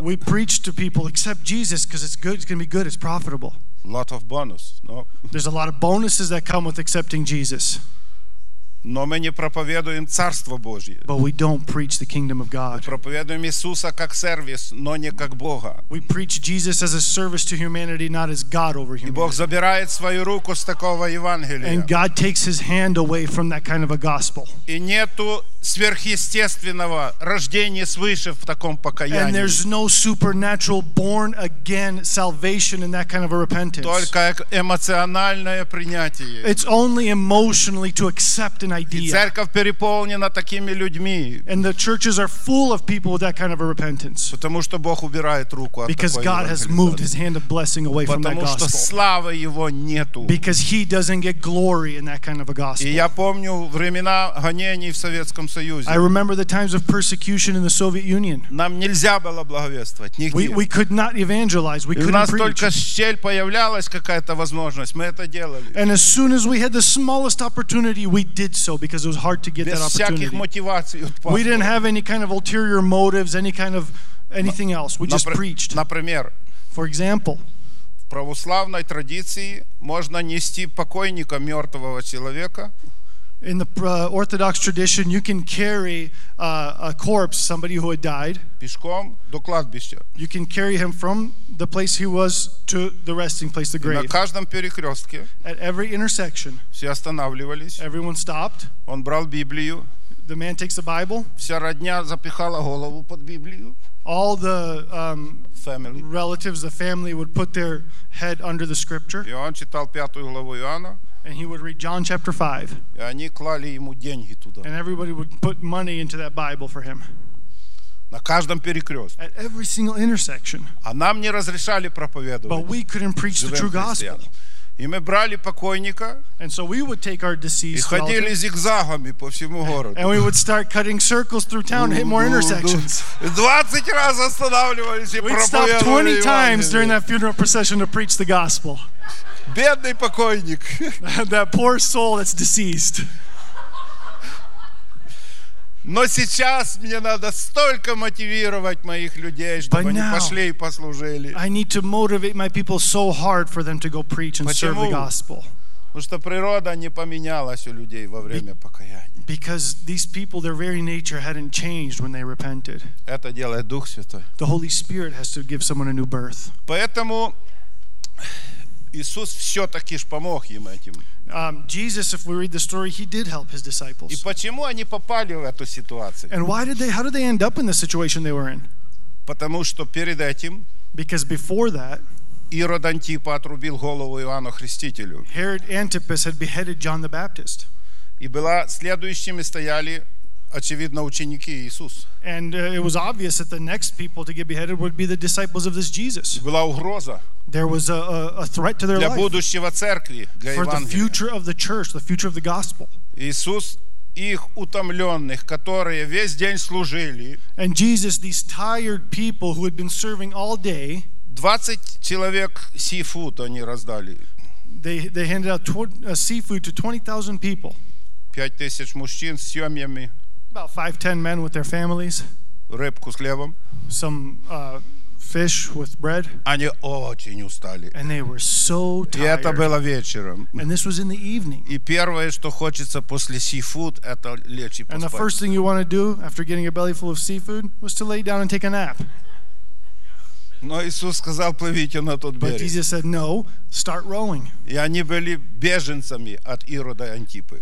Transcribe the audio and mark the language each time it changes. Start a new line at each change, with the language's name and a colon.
English: We preach to people, accept Jesus, because it's good. It's going to be good. It's profitable. Lot of bonus, no? There's a lot of bonuses that come with accepting Jesus.
Russian: Но мы не проповедуем Царство Божье.
English: But we don't preach the kingdom of God.
Russian: Мы проповедуем Иисуса как сервис, но не как Бога.
English: We preach Jesus as a service to humanity, not as God over humanity.
Russian: И Бог забирает свою руку с такого Евангелия.
English: And God takes His hand away from that kind of a gospel.
Russian: И нету сверхъестественного рождения свыше в таком покаянии.
English: And there's no supernatural born again salvation in that kind of a repentance.
Russian: Только эмоциональное принятие.
English: It's only emotionally to accept an idea.
Russian: И церковь переполнена такими людьми.
English: And the churches are full of people with that kind of a repentance.
Russian: Потому что Бог убирает руку от такой.
English: Because God has moved His hand of blessing away from that gospel.
Russian: Потому что славы Его нету.
English: Because He doesn't get glory in that kind of a gospel.
Russian: И я помню времена гонений в Советском Союзе.
English: I remember the times of persecution in the Soviet Union.
Russian: Нам нельзя было благовествовать нигде.
English: We could not evangelize. We couldn't preach.
Russian: У нас только щель появлялась какая-то возможность, мы это делали.
English: And as soon as we had the smallest opportunity, we did. Did so because it was hard to get
Russian: без
English: that opportunity. We didn't have any kind of ulterior motives, any kind of anything else. We just preached.
Russian: Например,
English: for example,
Russian: в православной традиции можно нести покойника мертвого человека.
English: In the Orthodox tradition, you can carry a corpse, somebody who had died.
Russian: Пешком до кладбища.
English: You can carry him from the place he was to the resting place, the grave.
Russian: На каждом перекрестке.
English: At every intersection.
Russian: Все останавливались.
English: Everyone stopped.
Russian: Он брал Библию.
English: The man takes the Bible.
Russian: Вся родня запихала голову под Библию.
English: All the relatives, the family, would put their head under the scripture.
Russian: И он читал пятую главу Иоанна.
English: And he would read John chapter 5. And everybody would put money into that Bible for him. At every single intersection. But we couldn't preach the true gospel.
Russian: И мы брали покойника,
English: and so we would take our deceased
Russian: и ходили
English: relative,
Russian: зигзагами по всему городу.
English: And we would start cutting circles through town, hit more intersections.
Russian: 20 раз останавливались и проповедовали.
English: We'd stop 20 times during that funeral procession to preach the gospel.
Russian: Бедный покойник.
English: That poor soul that's deceased.
Russian: Но сейчас мне надо столько мотивировать моих людей, чтобы
English: now,
Russian: они пошли и послужили.
English: I need to motivate my people so hard for them to go preach and
Russian: Почему?
English: Serve the gospel.
Russian: Потому что природа не поменялась у людей во время покаяния.
English: Because these people, their very nature hadn't changed when they repented.
Russian: Это делает Дух Святой.
English: The Holy Spirit has to give someone a new birth.
Russian: Поэтому Иисус все-таки ж помог им этим.
English: Jesus, if we read the story, he did help his disciples.
Russian: И почему они попали в эту ситуацию?
English: And how did they end up in the situation they were in?
Russian: Потому что перед этим,
English: because before that,
Russian: Ирод Антипа отрубил голову Иоанну Хрестителю.
English: Herod Antipas had beheaded John the Baptist.
Russian: И была следующими стояли, очевидно, ученики Иисуса.
English: And it was obvious that the next people to get beheaded would be the disciples of this Jesus.
Russian: И была угроза.
English: There was a threat to their
Russian: для
English: life
Russian: будущего церкви, для
English: for
Russian: Евангелия.
English: The future of the church, the future of the gospel.
Russian: Иисус, их утомленных, которые весь день служили,
English: and Jesus, these tired people who had been serving all day,
Russian: 20 человек seafood они раздали.
English: They handed out seafood to 20,000 people.
Russian: 5,000 мужчин с семьями.
English: About 5-10 men with their families.
Russian: Рыбку с хлебом.
English: Some fish with bread.
Russian: Они очень устали.
English: And they were so tired.
Russian: И это было вечером.
English: And this was in the evening.
Russian: И первое, что хочется после seafood, это лечь и поспать.
English: And the first thing you want to do after getting your belly full of seafood was to lay down and take a nap.
Russian: Но Иисус сказал: "Плывите на тот берег".
English: But Jesus said, "No, start rowing".
Russian: И они были беженцами от Ирода Антипы.